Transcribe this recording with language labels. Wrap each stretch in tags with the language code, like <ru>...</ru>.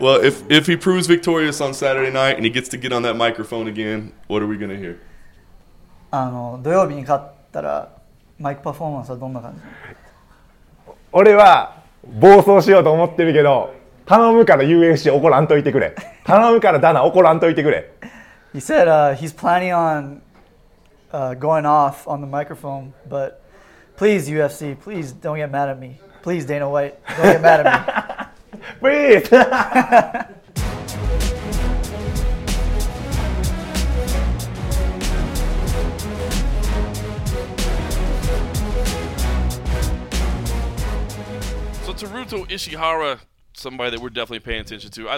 <en>Well, if he proves victorious on Saturday night and he gets to get on that microphone again, what are we going to hear?</en> <ja>土曜日に勝ったらマイクパフォーマンスはどんな感じ？俺は暴走しようと思ってるけど、頼むから UFC 怒らんといてくれ。頼むからダナ怒らんといてくれ。</ja> <en>He said he's planning on going off on the microphone, but Please, UFC, please don't get mad at me. Please, Dana White, don't get mad at me. Breathe! So Taruto Ishihara, somebody that we're definitely paying attention to.</en>